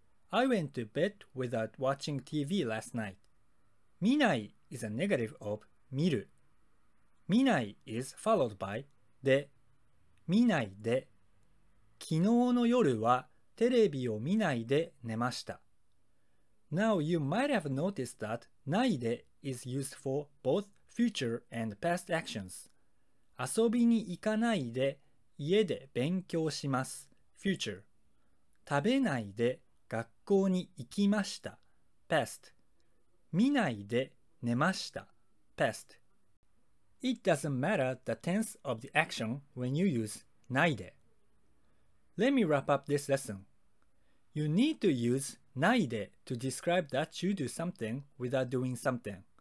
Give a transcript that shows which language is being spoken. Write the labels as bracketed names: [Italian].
[English] I went to bed without watching TV last night. 見ない is a negative of 見る。見ない is followed by で。見ないで。 [Japanese] 昨日の夜はテレビを見ないで寝ました。 [English] Now you might have noticed that ないで is used for both future and past actions. [Japanese] 遊びに行かないで家で勉強します。 [English] Future. [Japanese] 食べないで学校に行きました。 [English] Past. [Japanese] 見ないで寝ました。Past. [English] It doesn't matter the tense of the action when you use ないで. Let me wrap up this lesson. You need to use ないで to describe that you do something without doing something.